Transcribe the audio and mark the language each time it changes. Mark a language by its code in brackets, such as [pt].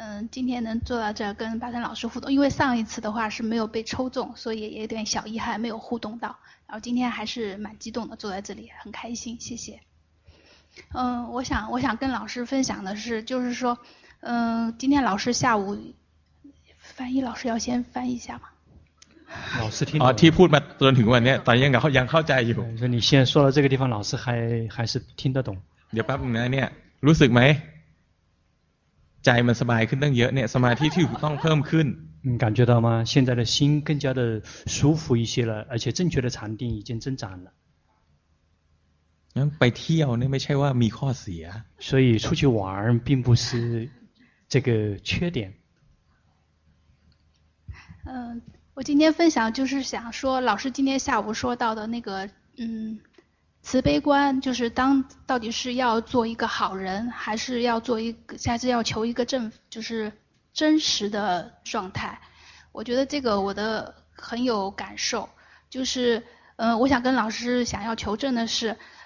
[zh] 今天能坐到这跟巴山老师互动因为上一次的话是没有被抽中所以也有点小遗憾没有互动到然后今天还是蛮激动的坐在这里很开心谢谢我想跟老师分享的是就是说今天老师下午翻译老师要先翻译一下吗老师听懂了、 [th] 啊、พูดมาจนถึงวันนี้ตอนยังเข้าใจอยู่ [zh] 你现在说到这个地方老师还是听得懂 [th] เดี๋ยวแป๊บนึงนะเนี่ยรู้สึกไหมใจมันสบายขึ้นตั้งเยอะเนี่ยสมาธิที่ถูกต้องเพิ่มขึ้น [zh] 感觉到吗现在的心更加的舒服一些了而且正确的禅定已经增长了 [th] งั้นไปเที่ยวนี่ไม่ใช่ว่ามีข้อเสีย [zh] 所以出去玩并不是这个缺点我今天分享就是想说老师今天下午说到的那个慈悲观就是当到底是要做一个好人还是要做一个下次要求一个正就是真实的状态我觉得这个我的很有感受就是我想跟老师想要求证的是